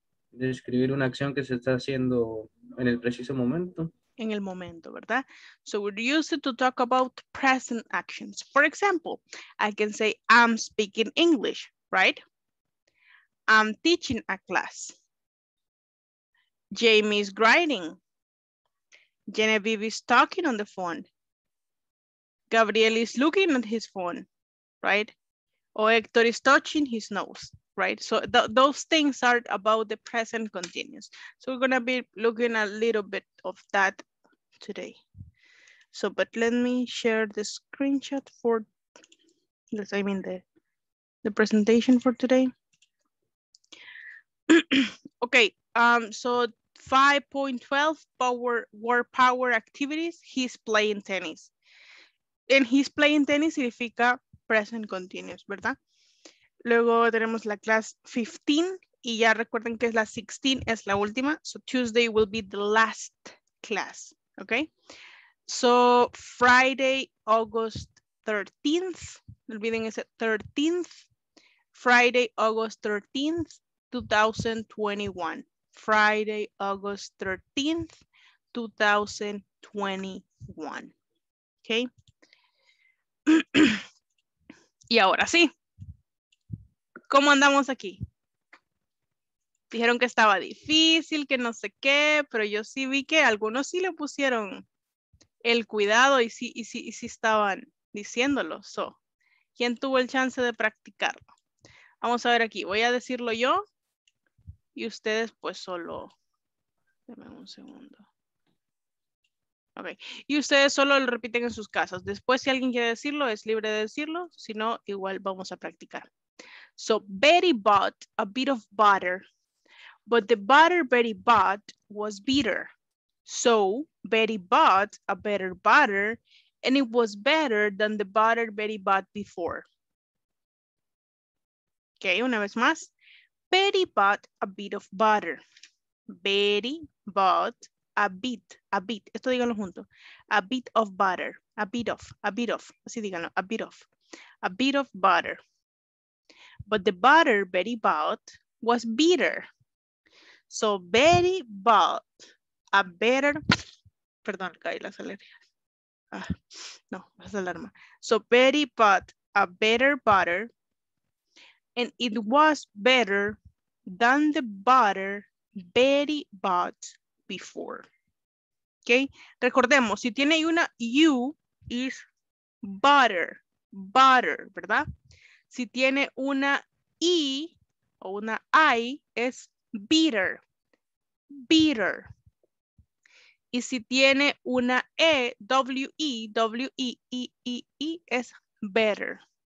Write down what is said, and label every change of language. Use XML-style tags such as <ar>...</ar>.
<es>Describir una acción que se está haciendo en el preciso momento. En el momento, ¿verdad?</es> <en>So we use it to talk about present actions. For example, I can say I'm speaking English, right? I'm teaching a class. Jamie is writing. Genevieve is talking on the phone. Gabriel is looking at his phone, right? Or Hector is touching his nose. Right, so those things are about the present continuous. So we're gonna be looking a little bit of that today. So, but let me share the screenshot for this. I mean the presentation for today. Okay. So 5.12 power activities. He's playing tennis, and he's playing tennis significa present continuous, ¿verdad?</en> <es>Luego tenemos la clase 15 y ya recuerden que es la 16, es la última.</es> <en>So Tuesday will be the last class, okay? So Friday, August 13th,</en> <es>no olviden ese</es> <en>13th. Friday, August 13th, 2021. Friday, August 13th, 2021, okay?</en> <es>Y ahora sí. ¿Cómo andamos aquí? Dijeron que estaba difícil, que no sé qué, pero yo sí vi que algunos sí le pusieron el cuidado y sí estaban diciéndolo. So, ¿quién tuvo el chance de practicarlo? Vamos a ver aquí. Voy a decirlo yo y ustedes pues solo... Deme un segundo. Ok. Y ustedes solo lo repiten en sus casas. Después, si alguien quiere decirlo, es libre de decirlo. Si no, igual vamos a practicar.</es> <en>So Betty bought a bit of butter, but the butter Betty bought was bitter. So Betty bought a better butter and it was better than the butter Betty bought before. Okay,</en> <es>una vez más.</es> <en>Betty bought a bit of butter. Betty bought a bit.</en> <es>Esto díganlo junto.</es> <en>A bit of butter. A bit of.</en> <es>Así díganlo.</es> <en>A bit of. A bit of butter. But the butter Betty bought was bitter. So Betty bought a better...</en> <es>Perdón, caí las alergias. No, es alarma.</es> <en>So Betty bought a better butter and it was better than the butter Betty bought before. Okay?</en> <es>Recordemos, si tiene una U,</es> <en>is butter,</en> <es>¿verdad? Si tiene una E o una I, es bitter. Y si tiene una E, W-E, es better.</es>